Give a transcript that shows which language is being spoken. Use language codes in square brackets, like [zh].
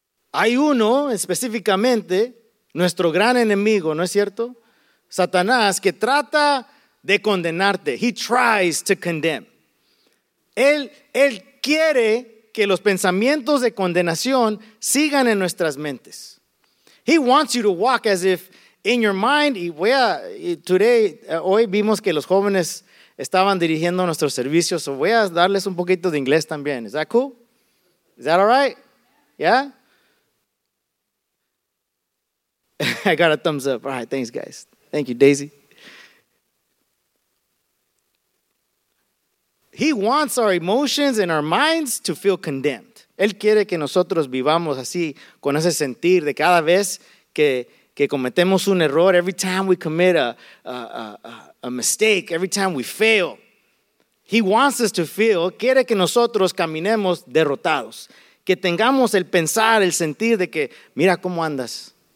[es] Hay uno específicamente, nuestro gran enemigo, ¿no es cierto? Satanás, que trata de condenarte. [en] He tries to condemn. [es] Él quiere que los pensamientos de condenación sigan en nuestras mentes. [en] He wants you to walk as if in your mind. [es] Y voy a, hoy vimos que los jóvenes estaban dirigiendo nuestros servicios. So voy a darles un poquito de inglés también. [en] Is that cool? Is that all right? Yeah? I got a thumbs up. All right, thanks, guys. Thank you, Daisy. He wants our emotions and our minds to feel condemned. [es] Él quiere que nosotros vivamos así, con ese sentir de cada vez que cometemos un error, [en] every time we commit a mistake, every time we fail. He wants us to feel, [es] quiere que nosotros caminemos derrotados, que tengamos el pensar, el sentir de que, mira cómo andas.